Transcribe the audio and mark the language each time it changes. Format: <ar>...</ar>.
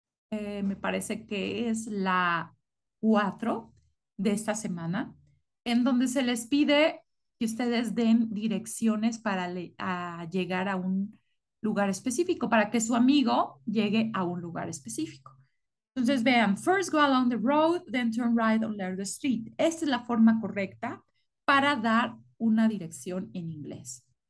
<es>Me parece que es la 4 de esta semana, en donde se les pide que ustedes den direcciones para a llegar a un lugar específico, para que su amigo llegue a un lugar específico. Entonces vean,</es> <en>first go along the road, then turn right on the street.</en> <es>Esta es la forma correcta para dar una dirección en inglés.</es>